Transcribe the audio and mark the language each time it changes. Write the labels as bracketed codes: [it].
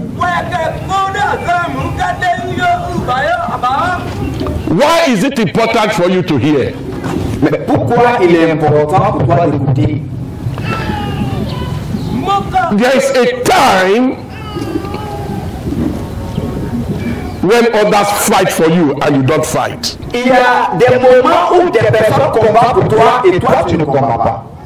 [en] why is it important for you to hear? [fr] Mais pourquoi il est important pour toi d'écouter? [en] There is a time when others fight for you and you don't fight. [fr] Il y a des moments où des personnes combattent pour toi et toi tu ne combats pas.